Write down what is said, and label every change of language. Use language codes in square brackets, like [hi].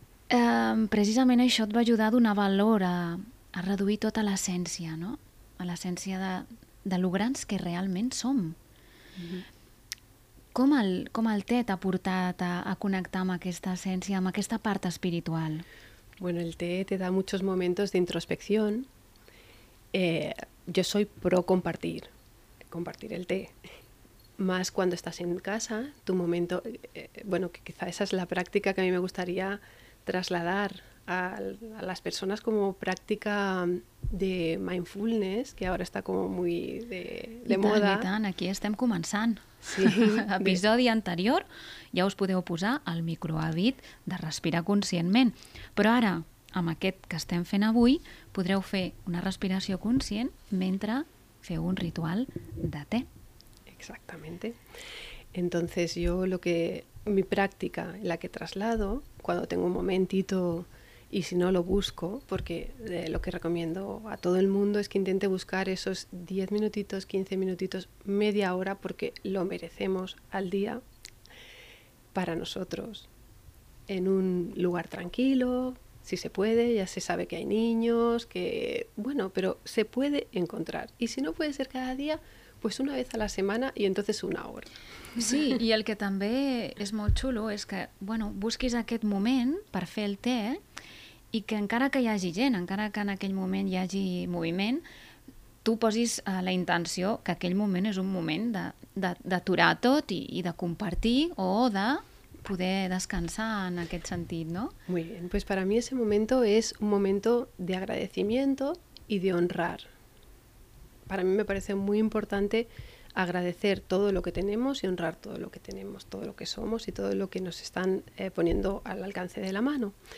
[ca] Precisament això et va ajudar a donar valor a reduir tota l'essència, no? A l'essència de lo grans que realment som. Mm-hmm. Com el té t'ha portat a connectar amb aquesta essència, amb aquesta part espiritual? [es] Bueno, el té te da muchos momentos de introspección. Yo soy pro compartir el té. Más cuando estás en casa, tu momento... bueno, que quizá esa es la práctica que a mí me gustaría... trasladar a las personas como práctica de mindfulness, que ahora está como muy de [ca] I [es] moda. [ca] I tant, aquí estem començant. Sí. Episodi anterior, ja us podeu posar el microhàbit de respirar conscientment. Però ara, amb aquest que estem fent avui, podreu fer una respiració conscient mentre feu un ritual de té. [es] Exactamente. Entonces yo lo que... Mi práctica, la que traslado cuando tengo un momentito y si no lo busco, porque lo que recomiendo a todo el mundo es que intente buscar esos 10 minutitos, 15 minutitos, media hora, porque lo merecemos al día para nosotros, en un lugar tranquilo, si se puede, ya se sabe que hay niños, que bueno, pero se puede encontrar. Y si no puede ser cada día, pues una vez a la semana y entonces una hora. [ca] Sí, i el que també és molt xulo és que, bueno, busquis aquest moment per fer el té i que encara que hi hagi gent, encara que en aquell moment hi hagi moviment, tu posis la intenció que aquell moment és un moment d'aturar tot i de compartir o de poder descansar en aquest sentit, no? [es] Muy bien, pues para mí ese momento es un momento de agradecimiento y de honrar. Para mí me parece muy importante... agradecer todo lo que tenemos y honrar todo lo que tenemos, todo lo que somos y todo lo que nos están poniendo al alcance de la mano.